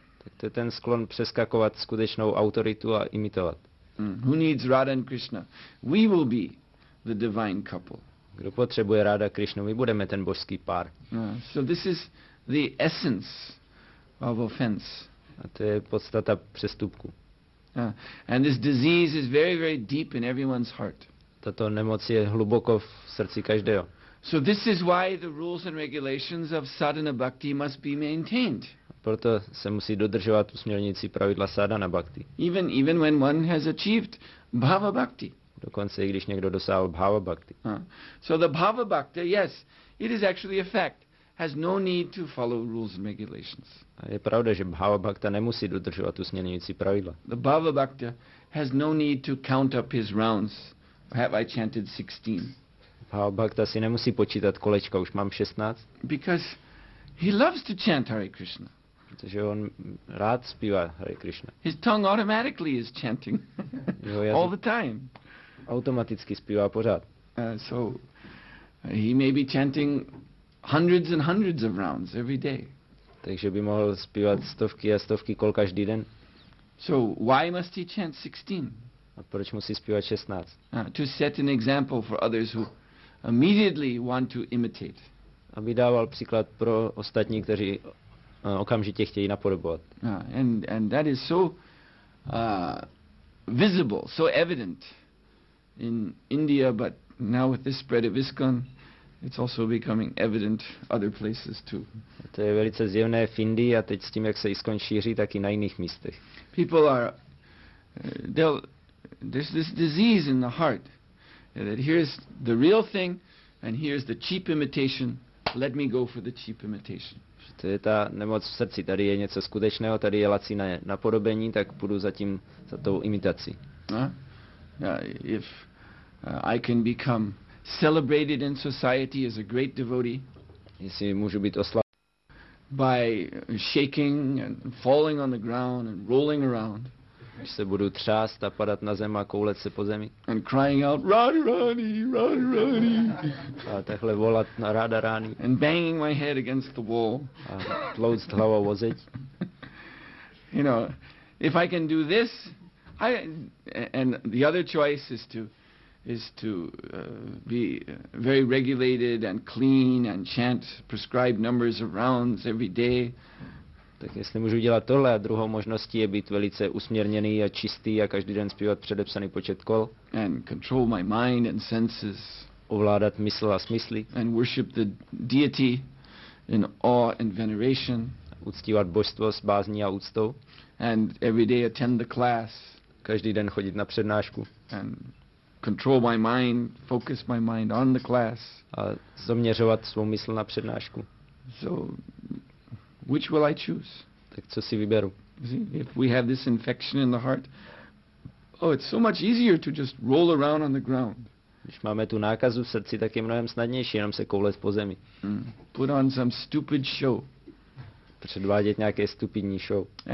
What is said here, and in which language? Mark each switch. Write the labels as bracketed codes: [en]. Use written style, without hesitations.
[cs] Tak to je ten sklon přeskakovat skutečnou autoritu a imitovat. [en] Who needs Radha and Krishna? We will be the divine couple. [cs] Kdo potřebuje Radha a Krishna? My budeme ten božský pár. [en] So this is the essence of offense. [cs] A to je podstata přestupku. [en] And this disease is very, very deep in everyone's heart. [cs] Tato nemoc je hluboko v srdci každého. [en] So this is why the rules and regulations of sadhana bhakti must be maintained. [cs] Proto se musí dodržovat usměrnící pravidla sadhana bhakti. [en] Even when one has achieved bhava bhakti. [cs] Dokonce i když někdo dosáhl bhava bhakti. [en] So the bhava bhakti, yes, it is actually a fact, has no need to follow rules and regulations. [cs] A je pravda, že bhava bhakta nemusí dodržovat usměrnící pravidla. [en] The bhava bhakti has no need to count up his rounds. Have I chanted 16? [cs] Bhava bhakta si nemusí počítat kolečka, už mám 16. [en] Because he loves to chant Hare Krishna. [cs] Protože on rád zpívá Hare Krishna. [en] His tongue automatically is chanting all the time. [cs] Automaticky zpívá pořád. [en] So he may be chanting hundreds and hundreds of rounds every day. [cs] Takže by mohl zpívat stovky a stovky kol každý den. [en] So why must he chant 16? [cs] A proč musí zpívat 16? [en] To set an example for others who immediately want to imitate. [cs] Aby dával příklad pro ostatní, kteří okamžitě chtějí napodobovat. [en] And that is so visible, so evident in India, but now with this spread of ISKCON, it's also becoming evident other places too. [cs] A to je velice zjevné v Indii a teď s tím, jak se ISKCON šíří, tak i na jiných místech. [en] People are, there's this disease in the heart that here's the real thing and here's the cheap imitation. Let me go for the cheap imitation. [cs] To je ta nemoc v srdci. Tady je něco skutečného, tady je laciné napodobení, tak půjdu zatím za tou imitací. [en] If I can become celebrated in society as a great devotee, [cs] jestli můžu být oslaven, [en] by shaking and falling on the ground and rolling around, [cs] když se budu třást a padat na zem a koulet se po zemi. [en] And crying out, Radharani, Radharani. [cs] A takhle volat na Radharani. [en] And banging my head against the wall. [cs] A tlouct hlavou o zeď. [en] You know, if I can do this, and the other choice is to be very regulated and clean and chant prescribed numbers of rounds every day. [cs] Tak jestli můžu dělat tohle a druhou možností je být velice usměrněný a čistý a každý den zpívat předepsaný počet kol. [en] And control my mind and senses. [cs] Ovládat mysl a smysly. [en] And worship the deity in awe and veneration. [cs] Uctívat božstvo s bázní a úctou. [en] And every day attend the class. [cs] Každý den chodit na přednášku. [en] And control my mind, focus my mind on the class. [cs] A zaměřovat svou mysl na přednášku. [en] So which will I choose? [cs] Tak co si vyberu? [en] See, if we have this infection in the heart, oh, it's so much easier to just roll around on the ground. [cs] Když máme tu nákazu v srdci, tak je mnohem snadnější jenom se koulet po zemi. [en] Put on some stupid show. [cs] Předvádět nějaké stupidní show.